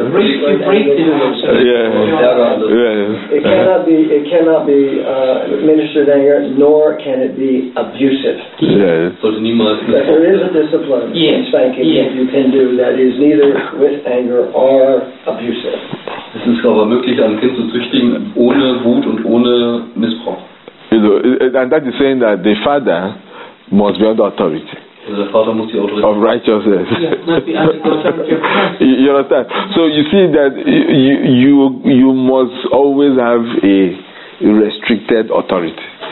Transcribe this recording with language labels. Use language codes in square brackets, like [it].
[en] You break the It cannot be ministered anger, nor can it be abusive. Yeah. But there is a discipline in spanking that you can do that is neither with anger or abusive. [de] Es ist aber möglich, ein Kind zu züchtigen, ohne Wut und ohne Missbrauch. [en] And that is saying that the father must be under authority. Of righteousness. You understand? So you see that you must always have a restricted authority.